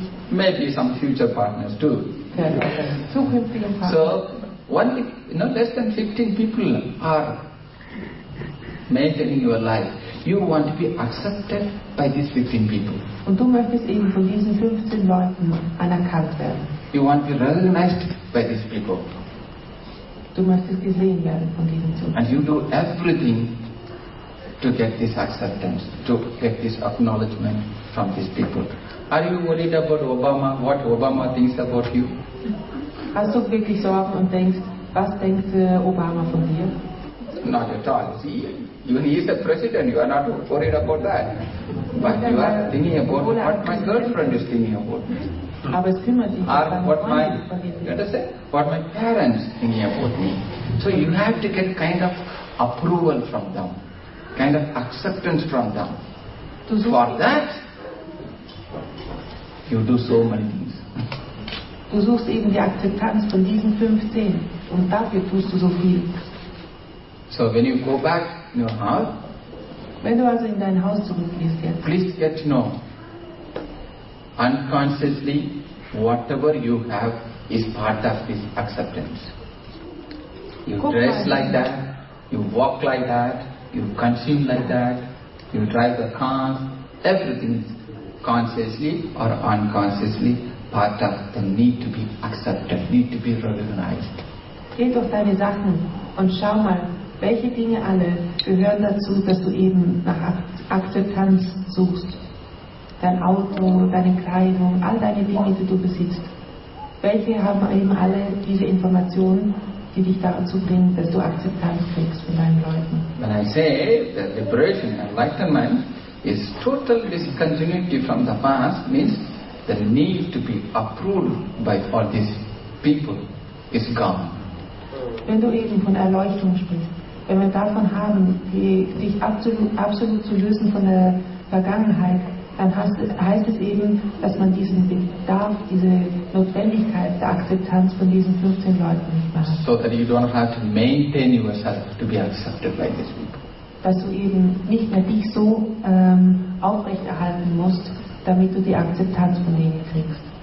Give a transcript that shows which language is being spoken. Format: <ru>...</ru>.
<en>Maybe some future partners too. So, less than 15 people are maintaining your life. You want to be accepted by these 15 people.</en> <de>Und du möchtest eben von diesen 15 Leuten anerkannt werden.</de> <en>You want to be recognized by these people.</en> <de>Du möchtest gesehen werden von diesen 15.</de> <en>And you do everything to get this acceptance, to get this acknowledgement from these people. Are you worried about Obama, what Obama thinks about you?</en> <de>Hast du wirklich Sorgen und denkst, was denkt Obama von dir?</de> <en>Not at all. See, even he is a president, you are not worried about that. But you are thinking about what my girlfriend is thinking about.</en> <de>Aber es kümmert sich</de> <en>um what my, you understand? What my parents thinking about me. So you have to get kind of approval from them, kind of acceptance from them. For that, you do so many things.</en> <de>Du suchst eben die Akzeptanz von diesen 15 und dafür tust du so viel.</de> <en>So when you go back in your house,</en> <de>wenn du also in dein Haus zurückgehst jetzt,</de> <en>please get to know. Unconsciously, whatever you have is part of this acceptance. You dress like that, you walk like that, you consume like that, you drive the cars, everything is consciously or unconsciously part of the need to be accepted, need to be recognized.</en> <de>Geh durch deine Sachen und schau mal, welche Dinge alle gehören dazu, dass du eben nach Akzeptanz suchst. Dein Auto, deine Kleidung, all deine Dinge, die du besitzt. Welche haben eben alle diese Informationen, die dich dazu bringen, dass du Akzeptanz kriegst von deinen Leuten?</de> <en>When I say that liberation, enlightenment is total discontinuity from the past, means the need to be approved by all these people is gone.</en> <de>Wenn du eben von Erleuchtung sprichst, wenn wir davon haben, dich absolut zu lösen von der Vergangenheit, dann heißt es eben, dass man diesen Bedarf, diese Notwendigkeit der Akzeptanz von diesen 15 Leuten nicht mehr hat.</de> <en>So that you don't have to maintain yourself to be accepted by these people.</en> <de>Dass du eben nicht mehr dich so aufrechterhalten musst, damit du die Akzeptanz von denen kriegst.</de>